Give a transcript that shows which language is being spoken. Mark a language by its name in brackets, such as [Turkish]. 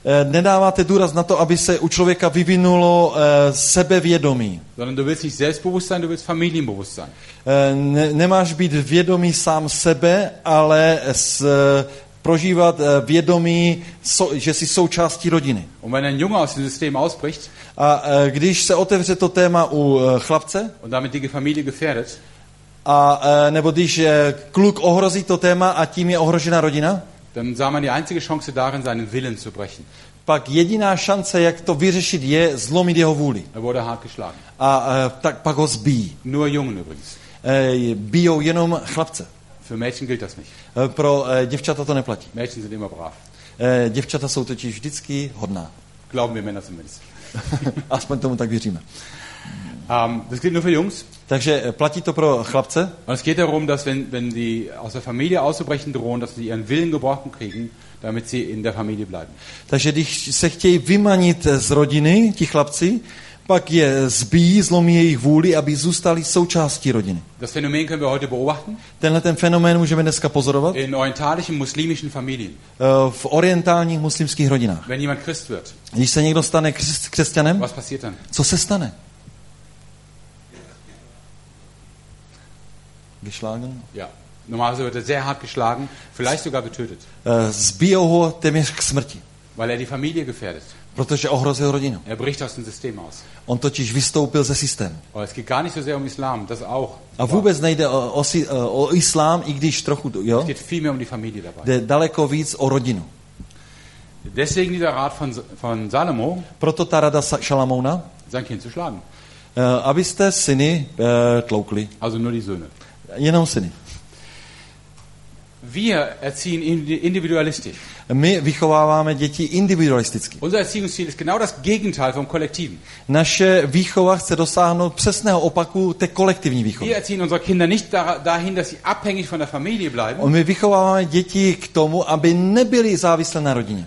[Czech] Nedáváte důraz na to, aby se u člověka vyvinulo sebevědomí. [German] Sondern du willst nicht Selbstbewusstsein, du willst Familienbewusstsein. [Czech] Nemáš být vědomý sám sebe, ale prožívat vědomí, že jsi součástí rodiny. [German] Und wenn ein Junge aus dem System ausbricht, [Czech] a když se otevře to téma u chlapce, [German] und damit die Familie gefährdet, [Czech] a nebo když kluk ohrozí to téma a tím je ohrožena rodina, [German] dann sah man die einzige Chance darin, seinen Willen zu brechen. [Czech] Pak jediná šance, jak to vyřešit, je zlomit jeho vůli. [German] Er wurde hart geschlagen. [Czech] A tak pak ho zbijí. [German] Nur Jungen übrigens. [Czech] Bijou jenom chlapce. [German] Für Mädchen gilt das nicht. [Czech] Pro děvčata to neplatí. [German] Mädchen sind immer brav. [Czech] Děvčata jsou totiž vždycky hodná. [German] Glauben wir Männer zumindest. [Czech] Aspoň tomu tak věříme. [German] Das gilt nur für Jungs. [Czech] Takže platí to pro chlapce. [German] Und es geht darum, dass wenn die aus der Familie auszubrechen drohen, dass sie ihren Willen gebrochen kriegen, damit sie in der Familie bleiben. [Czech] Takže když se chtějí vymanit z rodiny, ti chlapci, pak je zbíjí, zlomí jejich vůli, aby zůstali součástí rodiny. [German] Das Phänomen können wir heute beobachten. [Czech] Tenhle ten fenomén můžeme dneska pozorovat. [German] In orientalischen muslimischen Familien. [Czech] V orientálních muslimských rodinách. [German] Wenn jemand Christ wird. [Czech] Když se někdo stane křesťanem, [German] was passiert dann? [Czech] Co se stane? [German] Geschlagen? Ja. Normalerweise wird er sehr hart geschlagen, vielleicht sogar getötet. [Czech] Zbijou ho téměř k smrti. [German] Weil er die Familie gefährdet. [Czech] Protože ohrozil rodinu. [German] Er bricht aus dem System aus. [Czech] On totiž vystoupil ze systému. [German] Oh, es geht gar nicht so sehr um Islam, das auch. [Czech] A vůbec nejde o Islám, i když trochu, jo? [German] Es geht viel mehr um die Familie dabei. [Czech] Jde daleko víc o rodinu. [German] Deswegen dieser Rat von Salomo. [Czech] Proto ta rada Šalamouna. [German] Sein Kind zu schlagen. [Czech] Abyste syny tloukli. [German] Also nur die Söhne. [Czech] Jenom syny. [German] Wir erziehen individualistisch. [Czech] My vychováváme děti individualisticky. [German] Unser Erziehungsziel ist genau das Gegenteil vom Kollektiven. [Czech] Naše výchova chce dosáhnout přesného opaku té kolektivní výchovy. [German] Wir erziehen unsere Kinder nicht dahin, dass sie abhängig von der Familie bleiben. Und [Czech] my vychováváme děti k tomu, aby nebyli závislé na rodině.